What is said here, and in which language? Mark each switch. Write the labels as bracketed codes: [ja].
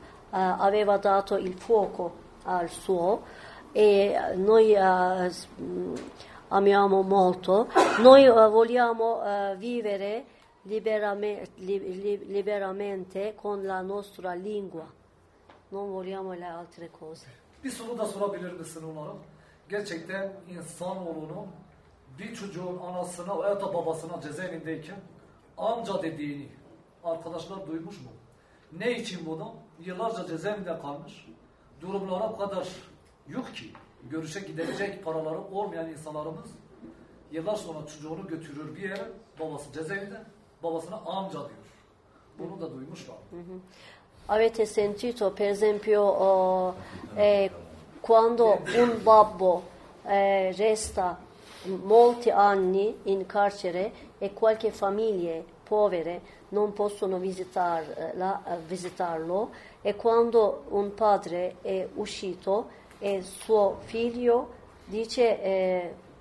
[it] aveva dato il fuoco al suo e noi amiamo molto, noi vogliamo vivere liberamente con la nostra lingua, non vogliamo le altre cose. [tr] Bir soru da sorabilir misin onlara? Gerçekten insanoğlunun bir çocuğun anasına veya da babasına cezaevindeyken amca dediğini arkadaşlar duymuş mu? Ne için bunu? Yıllarca cezaevinde kalmış, durumlara kadar yok ki, görüşe gidecek paraları olmayan insanlarımız yıllar sonra çocuğunu götürür bir yere, babası cezaevinde, babasına amca diyor. Bunu da duymuşlar. [it] Avete sentito, per esempio, quando un babbo resta molti anni in carcere e qualche famiglia povera non possono visitarlo, e quando un padre è uscito e suo figlio dice